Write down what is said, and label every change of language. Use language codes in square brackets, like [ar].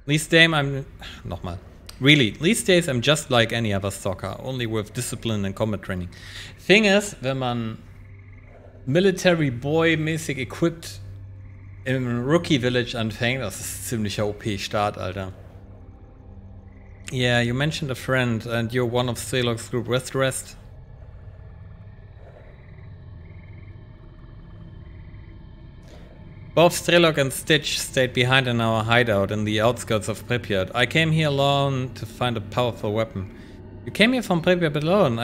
[en] Really, these days I'm just like any other stalker, only with discipline and combat training. Thing is, [de] wenn man [en] military boy [de] mäßig equipped im [en] rookie village [de] anfängt, das ist ein ziemlicher OP Start, Alter. [en] Yeah, you mentioned a friend and you're one of Salok's group. Where's the rest? Both Strelok and Stitch stayed behind in our hideout in the outskirts of Pripyat. I came here alone to find a powerful weapon. You came here from Pripyat alone.